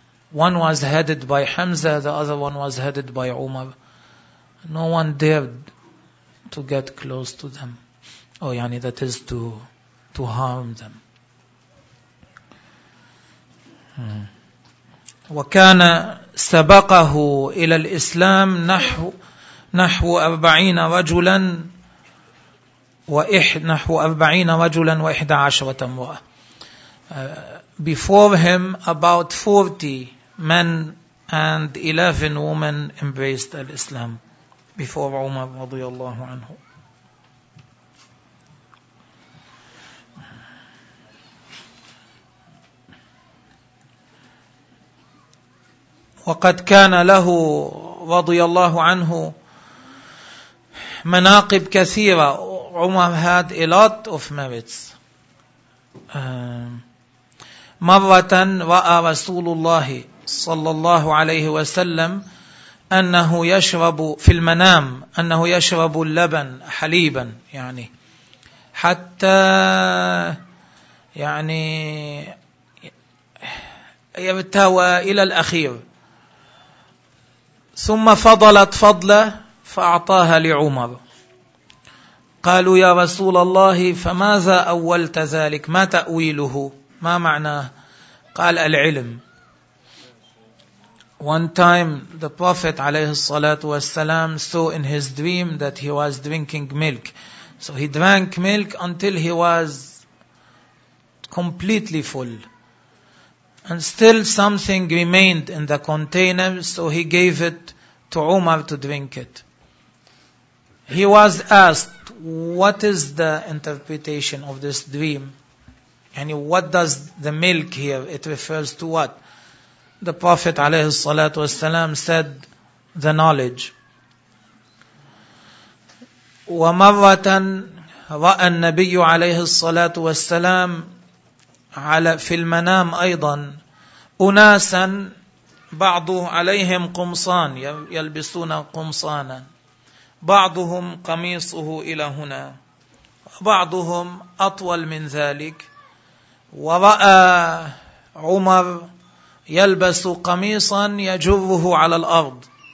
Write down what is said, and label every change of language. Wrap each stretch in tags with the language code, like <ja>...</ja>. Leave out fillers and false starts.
<en>One was headed by Hamza, the other one was headed by Umar. No one dared to get close to them. Oh, yani that is to harm them.</en> <ar>وكان سبقه إلى الإسلام نحو أربعين رجلا نحو أربعين رجلا وإحدى عشرة امرأة.</ar> <en>Before him, about 40 men and 11 women embraced Islam before Umar</en> <ar>رضي الله عنه. وقد كان له رضي الله عنه مناقب كثيرة.</ar> <en>عمر had a lot of merits.</en> <ar>مرة رأى رسول الله صلى الله عليه وسلم أنه يشرب في المنام أنه يشرب اللبن حليبا يعني حتى يعني يرتوى إلى الأخير ثم فضلت فضلة فأعطاها لعمر قالوا يا رسول الله فماذا أولت ذلك ما تأويله ما معناه قال العلم.</ar> <en>One time the Prophet</en> <ar>عليه الصلاة والسلام</ar> <en>saw in his dream that he was drinking milk, so he drank milk until he was completely full. And still something remained in the container, so he gave it to Umar to drink it. He was asked, what is the interpretation of this dream? And what does the milk here, it refers to what? The Prophet ﷺ said, the knowledge.</en> <ar>وَمَرَّةً رَأَى النَّبِيُّ عَلَيْهِ الصَّلَاةُ وَالسَّلَامُ عَلَى فِي الْمَنَامِ أَيْضًا أُنَاسًا بعضه عليهم قمصان يلبسون قمصانا بعضهم قميصه إلى هنا بعضهم أطول من ذلك ورأى عمر يلبس قميصا يجره على الأرض</ar>